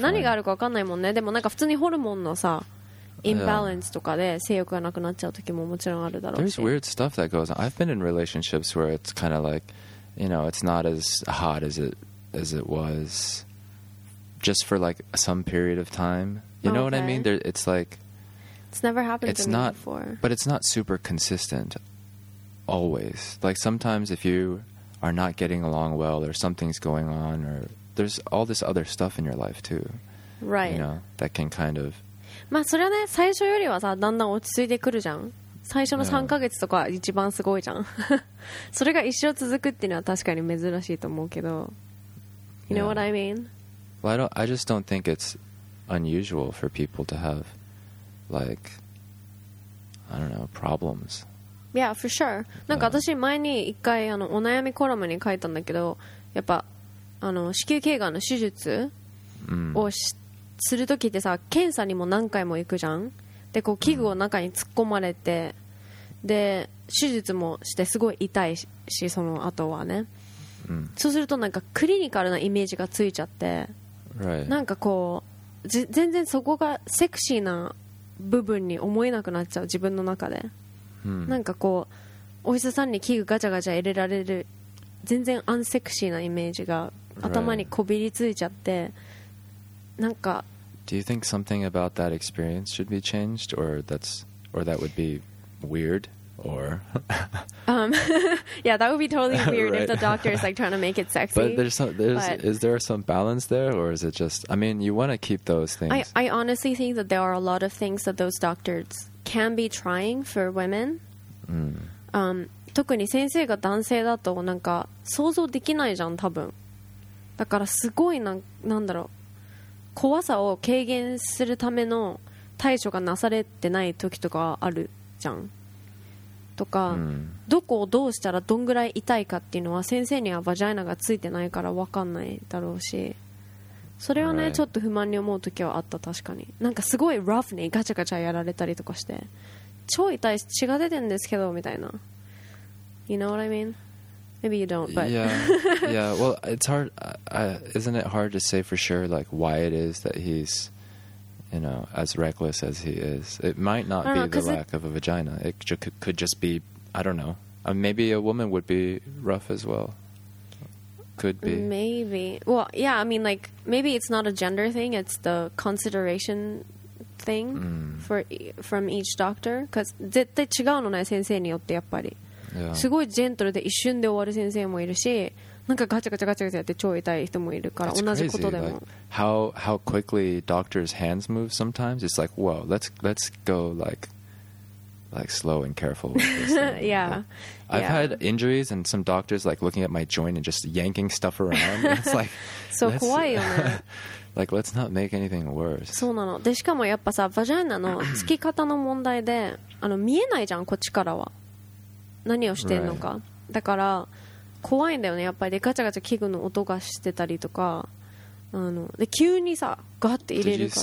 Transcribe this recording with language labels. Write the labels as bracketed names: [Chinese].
[Japanese] 何があるかわかんないもんね。でもなんか普通にホルモンのさ、インバランスとかで性欲がなくなっちゃう時ももちろんあるだろうし。 [English] There's weird stuff that goes on. I've been in relationships where it's kind of like, you know, it's not as hot as it was just for like some period of time. You know what I mean? It's like... It's never happened to me before. But it's not super consistent. Always. Like sometimes if you are not getting along well or something's going on or... There's all this other stuff in your life too. Right. You know, that can kind of... [Japanese] まあそれはね、最初よりはさ、だんだん落ち着いてくるじゃん。最初の3ヶ月とか一番すごいじゃん。それが一生続くっていうのは確かに珍しいと思うけど。 [English] You know what I mean? Well, I just don't think it's unusual for people to have, like, I don't know, problems. Yeah, for sure. [Japanese] なんか私前に一回あのお悩みコラムに書いたんだけど、やっぱ、あの子宮頸がんの手術をするときってさ、検査にも何回も行くじゃん。でこう器具を中に突っ込まれて、で手術もしてすごい痛いし、その後はね、そうするとなんかクリニカルなイメージがついちゃって、 [English] right. [Japanese] なんかこう全然そこがセクシーな部分に思えなくなっちゃう自分の中で、 hmm. なんかこうお医者さんに器具ガチャガチャ入れられる全然アンセクシーなイメージが頭にこびりついちゃって、 [English] right. [Japanese] なんか [English] Do you think something about that experience should be changed or that's or that would be weird? Or, yeah, that would be totally weird 、right. if the doctor is like trying to make it sexy. But is there some balance there, or is it just? I mean, you want to keep those things. I honestly think that there are a lot of things that those doctors can be trying for women. Mm. [Japanese] 特に先生が男性だとなんか想像できないじゃん、多分。だからすごいなんだろう、怖さを軽減するための対処がなされてない時とかあるじゃん。とか、mm. どこをどうしたらどんぐらい痛いかっていうのは先生にはバジャイナがついてないから分かんないだろうし、それはね、 [English] right. [Japanese] ちょっと不満に思う時はあった。確かになんかすごいラフにガチャガチャやられたりとかして超痛い、血が出てんですけどみたいな。 [English] You know what I mean? Maybe you don't, but yeah. Yeah, well, it's hard isn't it hard to say for sure like why it is that he'sYou know, as reckless as he is, it might not be the lack of a vagina. It could just be, I don't know. Maybe a woman would be rough as well. Could be. Maybe. Well, yeah, I mean, like, maybe it's not a gender thing. It's the consideration thing、mm. from each doctor. Because [Japanese] 絶対違うのね、先生によってやっぱり。 [English] Yeah. [Japanese] すごいジェントルで一瞬で終わる先生もいるし、なんかガチャガチャガチャガチャやって超痛い人もいるから、同じことでも。 [English] Like, how quickly doctors' hands move sometimes? It's like, whoa, let's go like slow and careful with this. Yeah. Like, I've had injuries and some doctors like looking at my joint and just yanking stuff around. It's like, [Japanese] so 怖いよね。 [English] Like, let's not make anything worse. [Japanese] そうなの。で、しかもやっぱさ、バジャイナの付き方の問題で、見えないじゃん、こっちからは。何をしてんのか。 [English] Right. [Japanese] だから、怖いんだよね、やっぱり。でガチャガチャ器具の音がしてたりとか、で急にさガッて入れるから。